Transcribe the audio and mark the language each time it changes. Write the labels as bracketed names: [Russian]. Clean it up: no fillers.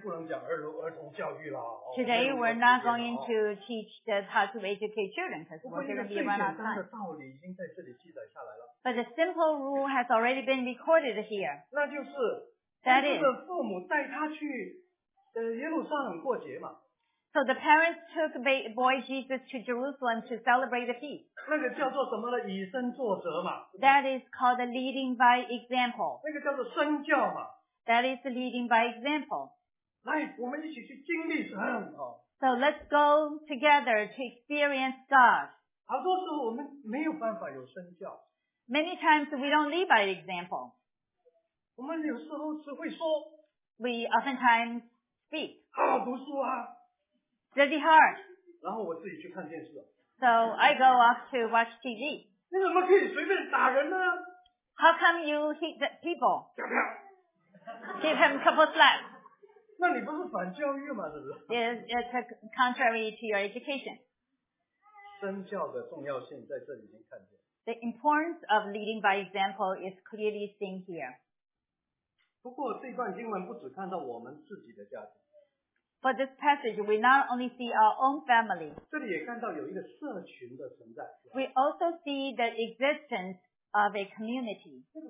[English] Today we're not going to teach just how to educate children because we're going to be run out of time. But the simple rule has already been recorded here. That is, so the parents took boy Jesus to Jerusalem to celebrate the feast. [Chinese] 那个叫做什么呢?以身作则嘛。 [English] That is called the leading by example. [Chinese] 那个叫做身教嘛。 [English] That is the leading by example. [Chinese] 来,我们一起去经历神。 [English] So let's go together to experience God. [Chinese] 好多时候我们没有办法有身教。 [English] Many times we don't lead by example. [Chinese] 我们有时候只会说, [English] we oftentimes speak. [Chinese] 好读书啊。 [English] Busy heart. [Chinese] 然后我自己去看电视。 [English] So I go off to watch TV. [Chinese] 你怎么可以随便打人呢? [English] How come you hit the people? [Chinese] 啪啪, [English] give him a couple slaps. [Chinese] 那你不是反教育吗? [English] It's contrary to your education. [Chinese] 身教的重要性在这里已经看见。 [English] The importance of leading by example is clearly seen here. [Chinese] 不过这段经文不只看到我们自己的家庭。 [English] For this passage, we not only see our own family, we also see the existence of a community.